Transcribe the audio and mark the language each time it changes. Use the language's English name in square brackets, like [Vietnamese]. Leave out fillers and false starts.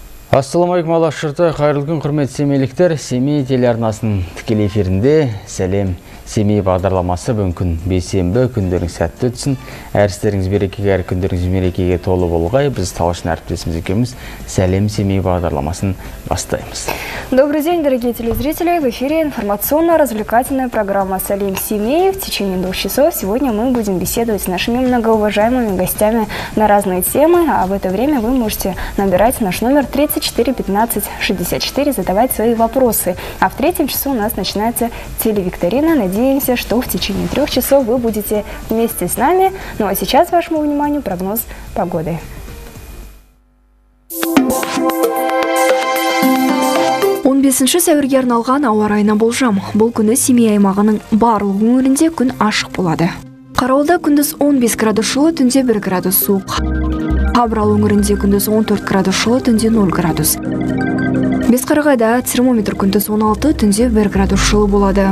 [Kazakh] Ассаламу алейкум, алашырты, қайырлы күн, құрметті семейліктер. Семей телеарнасының тікелей эфирінде сәлем семей бағдарламасы бүгін бейсенбі, күндеріңіз сәтті өтсін. Әрістеріңіз берекеге, әр күндеріңіз мерекеге толы болғай, біз талшын әріптесіміз екеміз сәлем семей бағдарламасын бастаймыз. [Russian] Добрый день, дорогие телезрители! В эфире информационно-развлекательная программа «Салим Семей». В течение двух часов сегодня мы будем беседовать с нашими многоуважаемыми гостями на разные темы, а в это время вы можете набирать наш номер 34-15-64, задавать свои вопросы. А в третьем часу у нас начинается телевикторина. Надеемся, что в течение трех часов вы будете вместе с нами. Ну а сейчас вашему вниманию прогноз погоды. [Kazakh] Бесінші сәуірге арналған ауа райына болжам. Бұл күні Семей аймағының барлық өңірінде күн ашық болады. Қарауылда күндіз 15 градус жылы, түнде 1 градус суық. Қабырал өңірінде күндіз 14 градус жылы, түнде 0 градус. Бесқарағайда термометр күндіз 16, түнде 1 градус жылы болады.